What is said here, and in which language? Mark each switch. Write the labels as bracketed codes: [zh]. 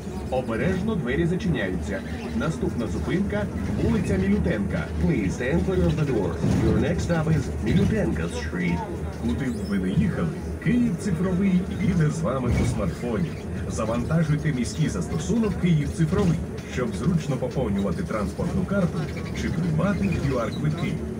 [uk] Обережно двері зачиняються. Наступна зупинка – вулиця Мілютенка. [en] Please stand clear of the doors. Your next stop is Мілютенка Street. [uk] Куди б ви не їхали, Київ Цифровий їде з вами у смартфоні. Завантажуйте міський застосунок Київ Цифровий, щоб зручно поповнювати транспортну карту чи приймати QR-квитки.